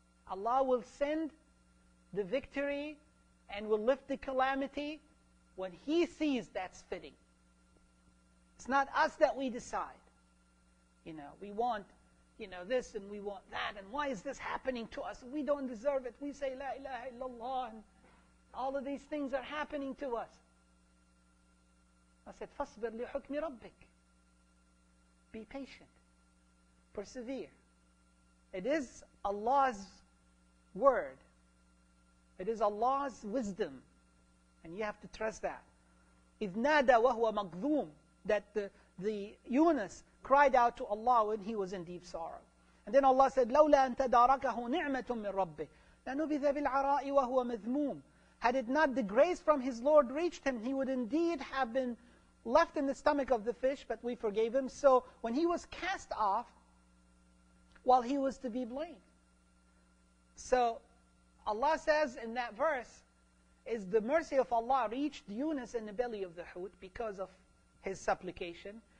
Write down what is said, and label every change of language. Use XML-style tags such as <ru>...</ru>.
<en>Allah will send the victory and will lift the calamity when He sees that's fitting. It's not us that we decide. You know, we want, you know, this and we want that. And why is this happening to us? We don't deserve it. We say, La ilaha illallah. And all of these things are happening to us. I said,</en> <ar>فَاصْبِرْ لِحُكْمِ رَبِّكَ.</ar> <en>Be patient. Persevere. It is Allah's word. It is Allah's wisdom. And you have to trust that.</en> <ar>إِذْ نَادَى وَهُوَ مَكْذُومٌ.</ar> <en>That the Yunus cried out to Allah when he was in deep sorrow. And then Allah said,</en> <ar>لَوْلَا أَن تَدَارَكَهُ نِعْمَةٌ مِّن رَبِّهِ لَنُبِذَ بِالْعَرَاءِ وَهُوَ مَذْمُومٌ.</ar> <en>Had it not the grace from his Lord reached him, he would indeed have been left in the stomach of the fish, but we forgave him. So when he was cast off, while he was to be blamed. So Allah says in that verse, is the mercy of Allah reached Yunus in the belly of the Hoot because of his supplication.</en>